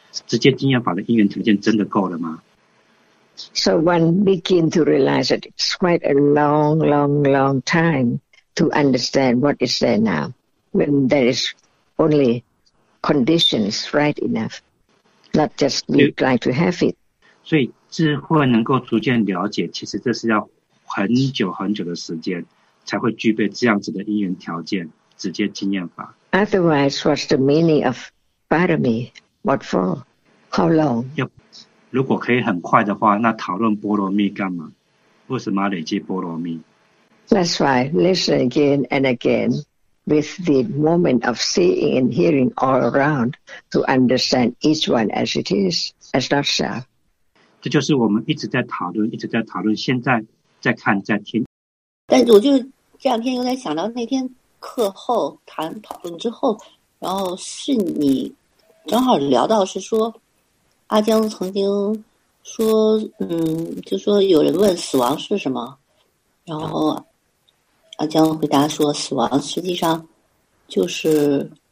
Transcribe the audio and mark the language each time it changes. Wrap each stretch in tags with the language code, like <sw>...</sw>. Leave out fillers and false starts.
<zh>直接经验法的因缘条件真的够了吗？</zh> <en>So one begin to realize that it's quite a long, long, long time to understand what is there now when there is only conditions right enough, not just we'd like to have it.</en> <zh>所以智慧能够逐渐了解，其实这是要很久很久的时间才会具备这样子的因缘条件，直接经验法。</zh> <en>Otherwise, what's the meaning of parami? What for? How long?</en> <zh>如果可以很快的话，那讨论波罗蜜干嘛？为什么要累积波罗蜜？</zh> <en>That's why listen again and again with the moment of seeing and hearing all around to understand each one as it is, as not self.</en> <zh>这就是我们一直在讨论，一直在讨论，现在在看，在听。但我就这两天又在想到那天课后谈讨论之后，然后是你正好聊到是说，阿江曾经说，就说有人问死亡是什么，然后阿江回答说，死亡实际上就是</zh>